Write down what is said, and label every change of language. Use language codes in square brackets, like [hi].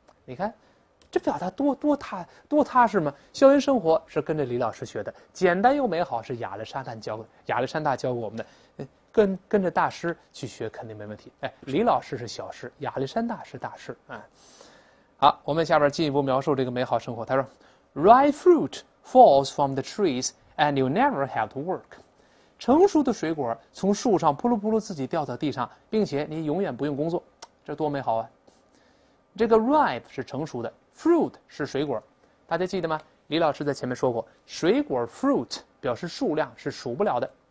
[zh] 你看，这表达多踏实嘛！校园生活是跟着李老师学的，简单又美好是亚历山大教给我们的。跟着大师去学肯定没问题。哎，李老师是小师，亚历山大是大师啊。好，我们下边进一步描述这个美好生活。他说：“ [en] Ripe fruit falls from the trees, and you never have to work。” [zh] 成熟的水果从树上扑噜扑噜自己掉到地上，并且你永远不用工作，这多美好啊！这个 ripe 是成熟的，fruit 是水果，大家记得吗？李老师在前面说过，水果 fruit 表示数量是数不了的。